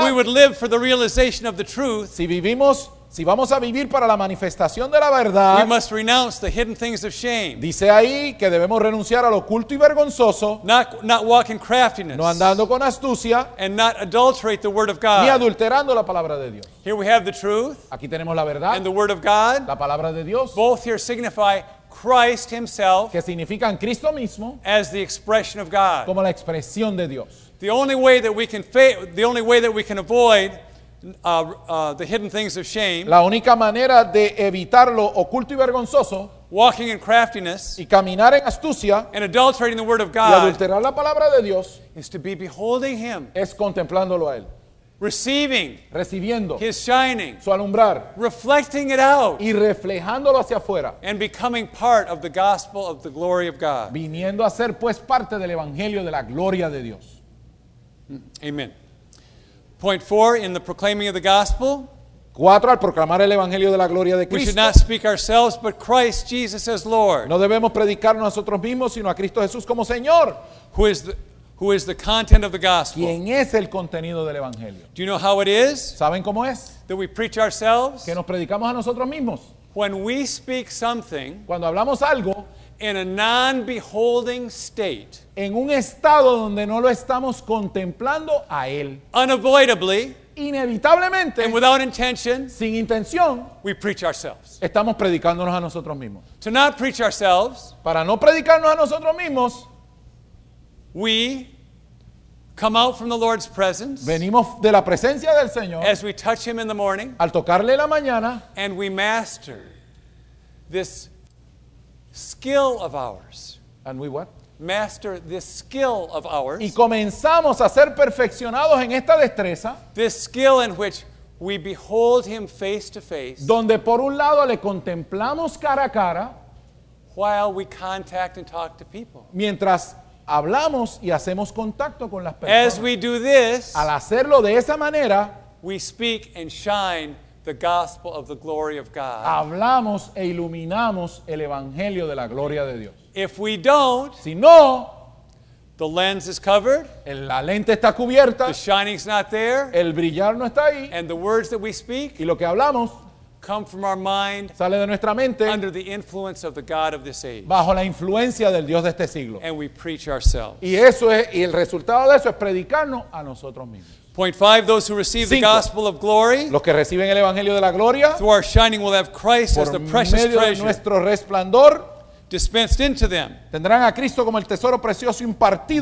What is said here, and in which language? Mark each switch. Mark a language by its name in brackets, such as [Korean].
[English] If we would live for the realization of the truth. [Spanish] Si vamos a vivir para la manifestación de la verdad. [English] We must renounce the hidden things of shame. [Spanish] Dice ahí que debemos renunciar al oculto y vergonzoso. [English] Not walk in craftiness. [Spanish] No andando con astucia. [English] And not adulterate the word of God. [Spanish] Ni adulterando la palabra de Dios. [English] Here we have the truth. [Spanish] Aquí tenemos la verdad. [English] And the word of God. [Spanish] La palabra de Dios. [English] Both here signify Christ himself. [Spanish] Que significan Cristo mismo. [English] As the expression of God. [Spanish] Como la expresión de Dios. [English] The only way that we can avoid the hidden things of shame. [Spanish] La única manera de evitar lo oculto y vergonzoso. [English] Walking in craftiness. [Spanish] Y caminar en astucia. [English] And adulterating the word of God. [Spanish] Y adulterar la palabra de Dios. [English] Is to be beholding Him. [Spanish] Es contemplándolo a él. [English] Receiving. [Spanish] Recibiendo. [English] His shining. [Spanish] Su alumbrar. [English] Reflecting it out. [Spanish] Y reflejándolo hacia afuera. [English] And becoming part of the gospel of the glory of God. [Spanish] Viniendo a ser pues parte del evangelio de la gloria de Dios. [English] Amen. Point four, in the proclaiming of the gospel. [Spanish] Cuatro, al proclamar el evangelio de la gloria de Cristo. [English] We should not speak ourselves, but Christ Jesus as Lord. [Spanish] No debemos predicar nosotros mismos, sino a Cristo Jesús como Señor. [English] Who is the content of the gospel? [Spanish] ¿Quién es el contenido del evangelio? [English] Do you know how it is? [Spanish] ¿Saben cómo es? [English] That we preach ourselves. [Spanish] Que nos predicamos a nosotros mismos. [English] When we speak something. [Spanish] Cuando hablamos algo. [English] In a non-beholding state. [Spanish] En un estado donde no lo estamos contemplando a él. [English] Unavoidably. [Spanish] Inevitablemente. [English] And without intention. [Spanish] Sin intención. [English] We preach ourselves. [Spanish] Estamos predicándonos a nosotros mismos. [English] To not preach ourselves. [Spanish] Para no predicarnos a nosotros mismos. [English] We come out from the Lord's presence. [Spanish] Venimos de la presencia del Señor. [English] As we touch him in the morning. [Spanish] Al tocarle la mañana. [English] And we master this skill of ours. And we what? Master this skill of ours. [Spanish] Y comenzamos a ser perfeccionados en esta destreza. [English] This skill in which we behold him face to face. [Spanish] Donde por un lado le contemplamos cara a cara. [English] While we contact and talk to people. [Spanish] Mientras hablamos y hacemos contacto con las personas. [English] As we do this. [Spanish] Al hacerlo de esa manera. [English] We speak and shine the gospel of the glory of God. [Spanish] Hablamos e iluminamos el evangelio de la gloria de Dios. [English] If we don't, [Spanish] si no, [English] the lens is covered, [Spanish] la lente está cubierta, [English] the shining's not there, [Spanish] el brillar no está ahí, [English] and the words that we speak, [Spanish] y lo que hablamos, [English] come from our mind, [Spanish] sale de nuestra mente, [English] under the influence of the God of this age, [Spanish] bajo la influencia del Dios de este siglo, [English] and we preach ourselves. [Spanish] Y eso es, y el resultado de eso es predicarnos a nosotros mismos. [English] Point five, those who receive [Spanish] Cinco. [English] The gospel of glory. [Spanish] Los que reciben el evangelio de la gloria. [English] Through our shining will have Christ as the precious treasure. [Spanish] Por medio de nuestro resplandor. [English] Dispensed into them. [Spanish] Tendrán a Cristo como el tesoro precioso impartido